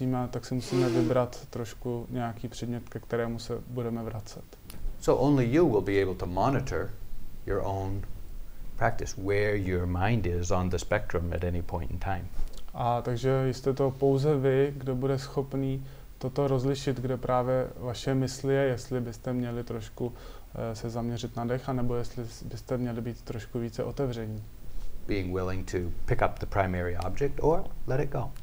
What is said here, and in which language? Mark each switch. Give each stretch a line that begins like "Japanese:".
Czech: Tak se musíme vybrat trošku nějaký předmět, ke kterému se budeme vracet.
English: So only you will be able to monitor your own practice, where your mind is on the spectrum at any point in time.
Czech: A takže jste to pouze vy, kdo bude schopný toto rozlišit, kde právě vaše mysli je, jestli byste měli trošku se zaměřit na dech, nebo jestli byste měli být trošku více otevření.
English: Being willing to pick up the primary object or let it go.